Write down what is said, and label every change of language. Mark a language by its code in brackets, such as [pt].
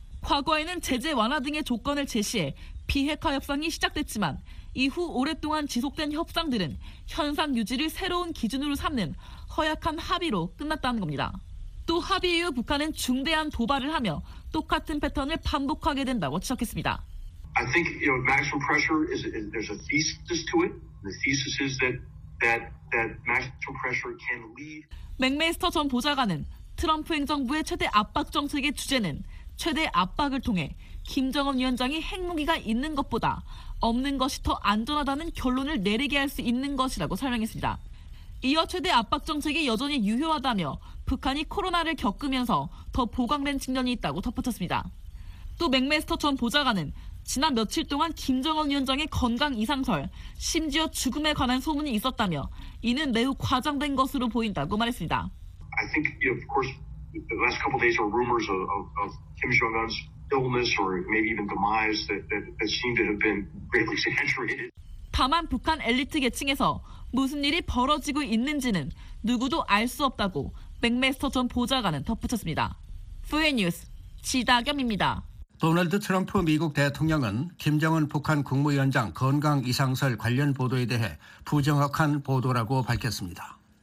[ko] 과거에는 제재 완화 등의 조건을 제시해 비핵화 협상이 시작됐지만 이후 오랫동안 지속된 협상들은 현상 유지를 새로운 기준으로 삼는 허약한 합의로 끝났다는 겁니다. 또 합의 이후 북한은 중대한 도발을 하며 똑같은 패턴을 반복하게 된다고 지적했습니다. [en] I think, you know, maximum pressure is there's a thesis to it. The thesis is that maximum pressure can lead. [ko] 맥메스터 전 보좌관은 트럼프 행정부의 최대 압박 정책의 주제는 최대 압박을 통해 김정은 위원장이 핵무기가 있는 것보다 없는 것이 더 안전하다는 결론을 내리게 할 수 있는 것이라고 설명했습니다. 이어 최대 압박 정책이 여전히 유효하다며 북한이 코로나를 겪으면서 더 보강된 측면이 있다고 덧붙였습니다. 또 맥메스터 전 보좌관은 지난 며칠 동안 김정은 위원장의 건강 이상설, 심지어 죽음에 관한 소문이 있었다며 이는 매우 과장된 것으로 보인다고 말했습니다. [en] I think, of course, the last couple of days are rumors of Kim Jong-un's illness or maybe even demise that seem to have been greatly exaggerated. [ko] 다만 북한 엘리트 계층에서 무슨 일이 벌어지고 있는지는 누구도 알 수 없다고 맥메스터 전 보좌관은 덧붙였습니다. 후에 뉴스 지다겸입니다. 도널드 트럼프 미국 대통령은 김정은 북한 국무위원장 건강 이상설 관련 보도에 대해 부정확한 보도라고 밝혔습니다.